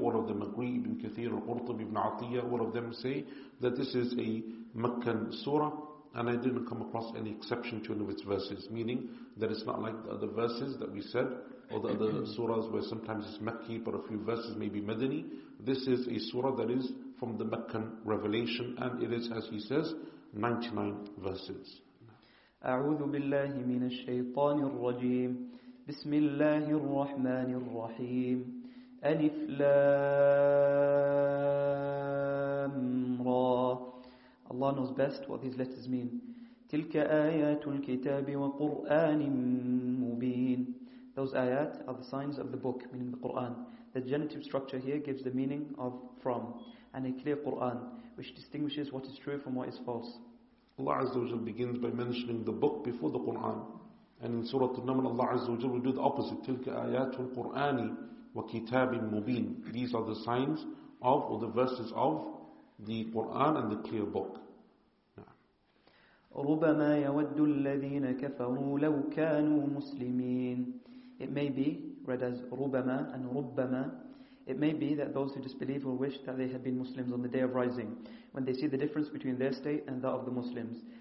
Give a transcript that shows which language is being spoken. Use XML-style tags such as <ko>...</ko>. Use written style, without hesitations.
<en>All of them agree, Ibn Kathir, Al-Qurtubi, Ibn Atiyah, all of them say that this is a Meccan surah, and I didn't come across any exception to any of its verses, meaning that it's not like the other verses that we said, or the other surahs where sometimes it's Makki, but a few verses may be Madani. This is a surah that is from the Meccan revelation, and it is, as he says, 99 verses.</en> <ar>أعوذ بالله من الشيطان الرجيم بسم الله الرحمن الرحيم ألف لام را.</ar> <en>Allah knows best what these letters mean.</en> <ar>تلك آيات الكتاب وقرآن مبين.</ar> <en>Those ayat are the signs of the book, meaning the Quran. The genitive structure here gives the meaning of from, and a clear Quran, which distinguishes what is true from what is false. Allah Azza wa Jalla begins by mentioning the book before the Quran. And in Surah An-Naml, Allah Azza wa Jalla will do the opposite.</en> <ar>تِلْكَ آيَاتُ الْقُرْآنِ وَكِتَابٍ مُبِينٍ.</ar> <en>These are the signs of, or the verses of, the Quran and the clear book.</en> <ar>رُبَمَا يَوَدُّ الَّذِينَ كَفَرُوا لَوْ كَانُوا مُسْلِمِينَ.</ar> <en>It may be read as رُبَمَا and رُبَّمَا. It may be that those who disbelieve will wish that they had been Muslims on the Day of Rising, when they see the difference between their state and that of the Muslims.</en>